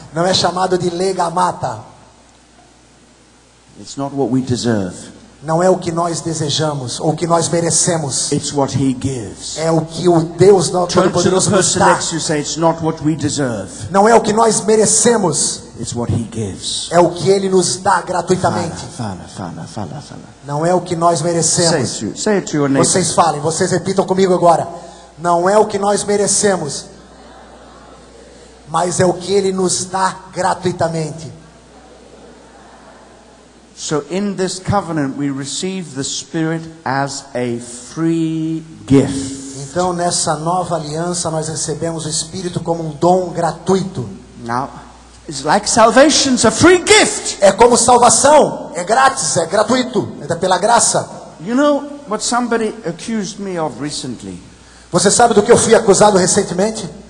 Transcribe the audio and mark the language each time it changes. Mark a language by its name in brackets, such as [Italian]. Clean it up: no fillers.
[Portuguese] Não é chamado de legalmata. [English] It's not what we deserve. [Portuguese] Não é o que nós desejamos ou o que nós merecemos. [English] It's what he gives. [Portuguese] É o que o Deus Todo-Poderoso nos dá. [English] Next, you say, it's not what we deserve. [Portuguese] Não é o que nós merecemos. [English] It's what he gives. [Portuguese] É o que ele nos dá gratuitamente. Fala. Não é o que nós merecemos. [English] Say it to your neighbor. [Portuguese] Vocês falem, vocês repitam comigo agora. Não é o que nós merecemos, mas é o que ele nos dá gratuitamente. [English] So in this covenant we receive the Spirit as a free gift. [Portuguese] Então nessa nova aliança nós recebemos o Espírito como um dom gratuito. [English] Now, it's like salvation, it's a free gift. [Portuguese] É como salvação, é grátis, é gratuito, é pela graça. [English] You know what somebody accused me of recently? [Portuguese] Você sabe do que eu fui acusado recentemente?